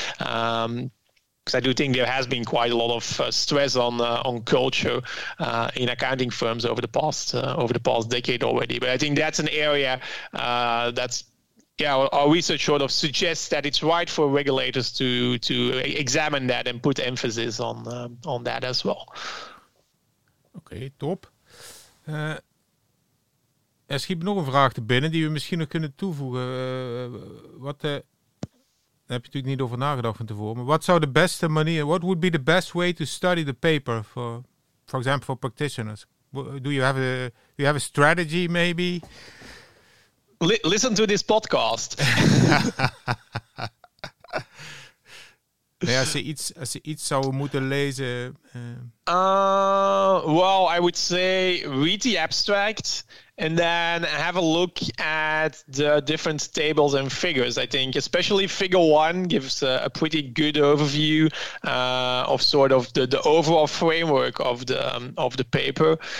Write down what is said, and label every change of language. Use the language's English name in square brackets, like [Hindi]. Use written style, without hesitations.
[English] Because I do think there has been quite a lot of stress on culture in accounting firms over the past decade already. But I think that's an area our research sort of suggests that it's right for regulators to examine that and put emphasis on that as well. Okay, top. [Dutch] Er schiet nog een vraag te binnen die we misschien nog kunnen toevoegen. Daar heb je natuurlijk niet over nagedacht van tevoren. Maar wat zou de beste manier, [English] what would be the best way to study the paper for example, for practitioners? Do you have a strategy maybe? Listen to this podcast. [Dutch] Nee, als je iets zou moeten lezen. [English] Well, I would say read the abstract and then have a look at the different tables and figures. I think especially figure one gives a pretty good overview of sort of the overall framework of the paper.